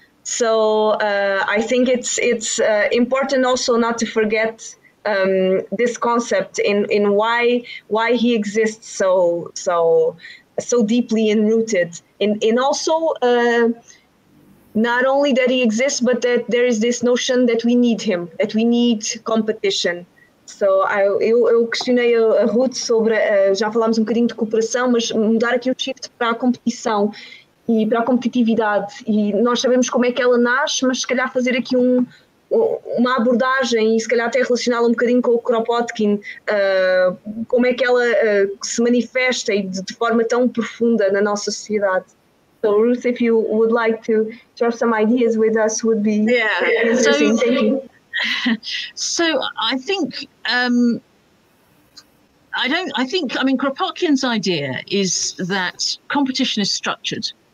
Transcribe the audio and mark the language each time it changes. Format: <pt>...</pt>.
<en>So, I think it's important also not to forget this concept in why he exists so deeply enrooted. And also not only that he exists, but that there is this notion that we need him, that we need competition.</en> <pt>So, eu questionei a Ruth sobre, já falámos um bocadinho de cooperação, mas mudar aqui o shift para a competição. E para a competitividade, e nós sabemos como é que ela nasce, mas se calhar fazer aqui uma abordagem, e se calhar até relacioná-la um bocadinho com o Kropotkin, como é que ela se manifesta e de forma tão profunda na nossa sociedade.</pt> <en>So, Ruth, if you would like to share some ideas with us, would be interesting. Thank you. I think I don't I think I mean Kropotkin's idea is that competition is structured.</en>